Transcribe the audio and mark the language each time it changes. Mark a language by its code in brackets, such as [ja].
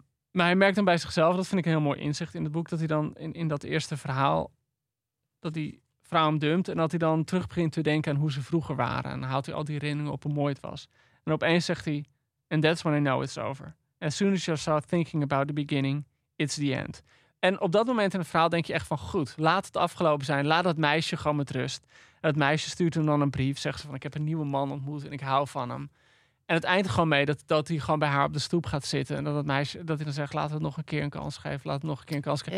[nl] Maar hij merkt dan bij zichzelf, dat vind ik een heel mooi inzicht in het boek... dat hij dan in dat eerste verhaal, dat die vrouw hem dumpt... en dat hij dan terug begint te denken aan hoe ze vroeger waren. En haalt hij al die herinneringen op hoe mooi het was. En opeens zegt hij, [en] and that's when I know it's over. As soon as you start thinking about the beginning, it's the end. [nl] En op dat moment in het verhaal denk je echt van... goed, laat het afgelopen zijn. Laat dat meisje gewoon met rust. En het meisje stuurt hem dan een brief. Zegt ze van, ik heb een nieuwe man ontmoet en ik hou van hem. En het eindigt gewoon mee dat hij gewoon bij haar op de stoep gaat zitten. En dat meisje, dat hij dan zegt, laat het nog een keer een kans geven. Laat het nog een keer een kans geven.